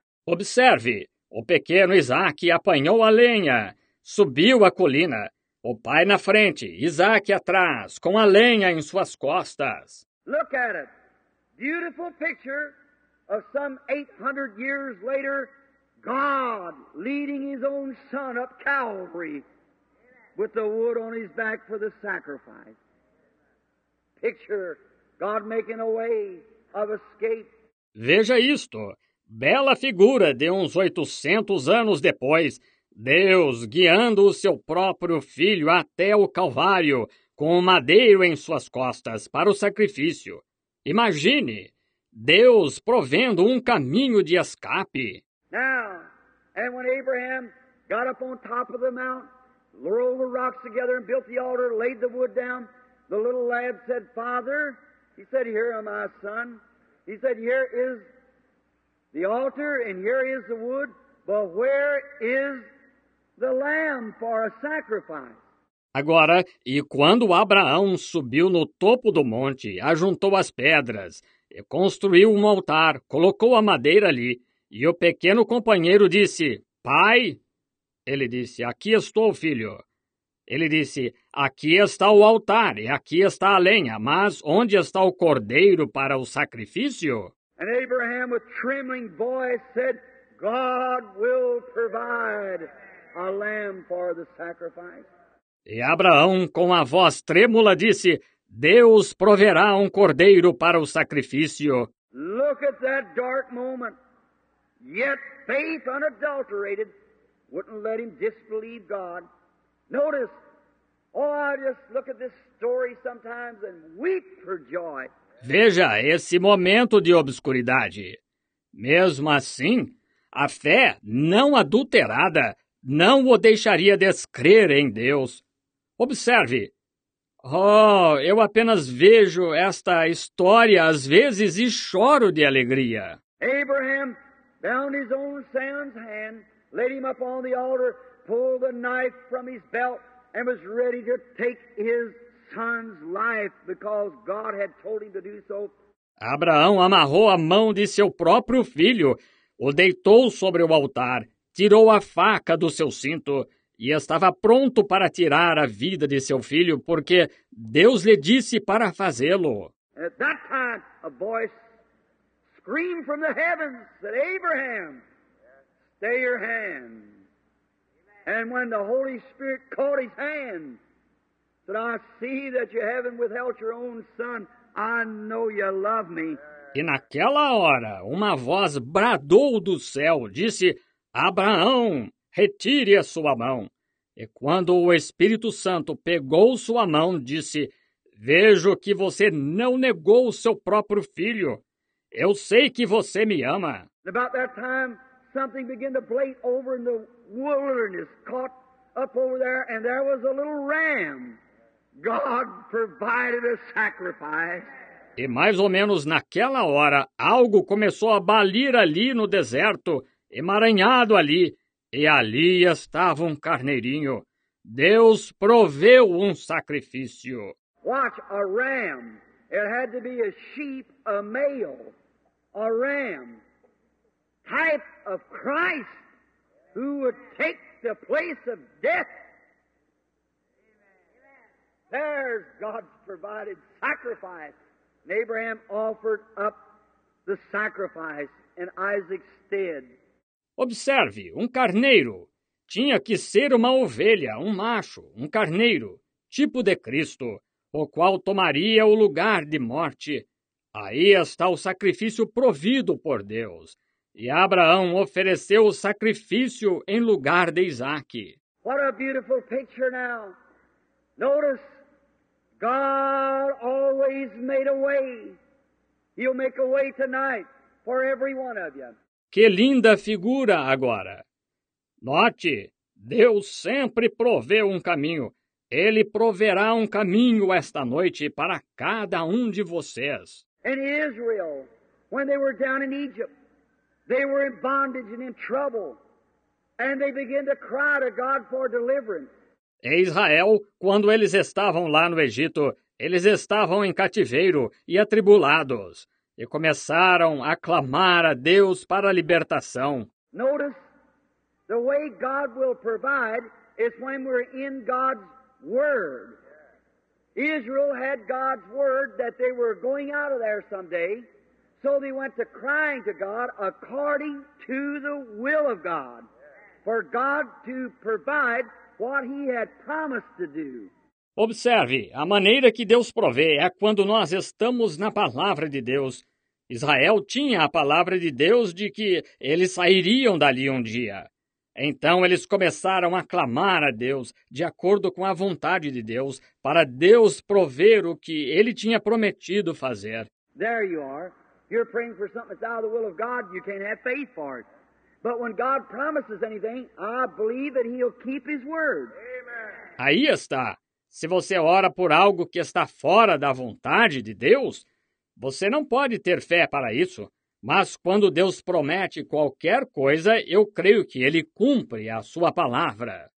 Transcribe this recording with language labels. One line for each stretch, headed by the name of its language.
Portuguese: Observe, o pequeno Isaac apanhou a lenha, subiu a colina, o pai na frente, Isaac atrás, com a lenha em suas costas.
English: Look at it, beautiful picture of some 800 years later, God leading his own son up Calvary with the wood on his back for the sacrifice. Picture God making a way of escape.
Portuguese: Veja isto, bela figura de uns 800 anos depois, Deus guiando o seu próprio filho até o Calvário com o madeiro em suas costas para o sacrifício. Imagine, Deus provendo um caminho de escape.
English: Now, and when Abraham got up on top of the mount, rolled the rocks together and built the altar, laid the wood down, the little lad said, "Father," he said, "Here am I, son." He said, "Here is the altar and here is the wood, but where is the lamb for a sacrifice?"
Portuguese: Agora, e quando Abraão subiu no topo do monte, ajuntou as pedras e construiu um altar, colocou a madeira ali, e o pequeno companheiro disse, "Pai?" Ele disse, "Aqui estou, filho." Ele disse, "Aqui está o altar e aqui está a lenha, mas onde está o cordeiro para o sacrifício?"
English: And Abraham, with trembling voice, said, "God will provide a lamb for the sacrifice."
Portuguese: E Abraão, com a voz trêmula, disse, "Deus proverá um cordeiro para o sacrifício."
English: Look at that dark moment. Yet faith unadulterated wouldn't let him disbelieve God. Notice, oh, I just look at this story sometimes and weep for joy.
Portuguese: Veja esse momento de obscuridade. Mesmo assim, a fé não adulterada não o deixaria descrer em Deus. Observe. Oh, eu apenas vejo esta história às vezes e choro de alegria.
English: Abraham bound his own son's hand, laid him up on the altar, pulled the knife from his belt, and was ready to take his son's life because God had told him to do so.
Portuguese: Abraão amarrou a mão de seu próprio filho, o deitou sobre o altar, tirou a faca do seu cinto e estava pronto para tirar a vida de seu filho porque Deus lhe disse para fazê-lo.
English: At that time, a voice screamed from the heavens that Abraham, stay your hand. And when the Holy Spirit caught his hand, said, I see that you haven't withheld your own son. I know you love me.
Portuguese: E naquela hora, uma voz bradou do céu, disse, Abraão, retire a sua mão. E quando o Espírito Santo pegou sua mão, disse, vejo que você não negou o seu próprio filho. Eu sei que você me ama.
English: About that time, something began to play over in the wilderness, caught up over there, and there was a little ram. God provided a sacrifice.
Portuguese: E mais ou menos naquela hora, algo começou a balir ali no deserto, emaranhado ali, e ali estava um carneirinho. Deus proveu um sacrifício.
English: Watch, a ram. It had to be a sheep, a male, a ram. Type of Christ who would take the place of death. There's God's provided sacrifice. And Abraham offered up the sacrifice in Isaac's stead.
Portuguese: Observe, um carneiro. Tinha que ser uma ovelha, um macho, um carneiro, tipo de Cristo, o qual tomaria o lugar de morte. Aí está o sacrifício provido por Deus. E Abraão ofereceu o sacrifício em lugar de Isaac.
English: What a beautiful picture now. Notice. God always made a way. He'll make a way tonight for every one of you.
Portuguese: Que linda figura agora. Note, Deus sempre provê um caminho. Ele proverá um caminho esta noite para cada um de vocês.
English: And Israel, when they were down in Egypt, they were in bondage and in trouble. And they began to cry to God for deliverance.
Portuguese: Em Israel, quando eles estavam lá no Egito, eles estavam em cativeiro e atribulados, e começaram a clamar a Deus para a libertação.
English: Notice, the way God will provide is when we're in God's Word. Israel had God's Word that they were going out of there someday, so they went to crying to God according to the will of God, for God to provide what he had promised to do.
Portuguese: Observe, a maneira que Deus provê é quando nós estamos na palavra de Deus. Israel tinha a palavra de Deus de que eles sairiam dali um dia. Então eles começaram a clamar a Deus, de acordo com a vontade de Deus, para Deus prover o que ele tinha prometido fazer.
English: There you are. You're praying for something that's out of the will of God. You can't have faith for it. But when God promises anything, I believe that he'll keep his word.
Portuguese: Amen. Aí está. Se você ora por algo que está fora da vontade de Deus, você não pode ter fé para isso. Mas quando Deus promete qualquer coisa, eu creio que ele cumpre a sua palavra.